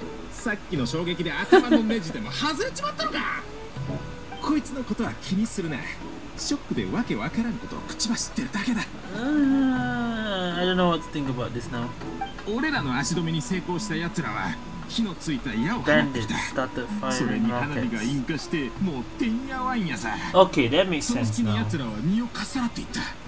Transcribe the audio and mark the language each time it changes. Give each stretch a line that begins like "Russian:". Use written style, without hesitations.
Japanese: さっきの衝撃で頭のネジでも外れちまったのか。こいつのことは気にするな。ショックでわけわからんことを口走ってるだけだ。
English: I don't know what to think about this now.
Japanese: 俺らの足止めに成功した奴らは火のついた矢を放ってきた。
English: Started firing rockets.
Japanese: それに花火が引火してもうてんやわんやさ。
English: Okay, that makes sense now.
Japanese: その隙に奴らは身をかさらっていった。